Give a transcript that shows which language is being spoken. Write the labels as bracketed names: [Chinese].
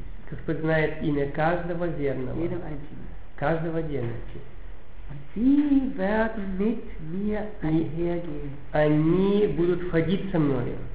[Russian] Господь знает имя каждого верного. Каждого верности. [German] Sie werden mit mir einhergehen. [Russian] Они будут входить со мной.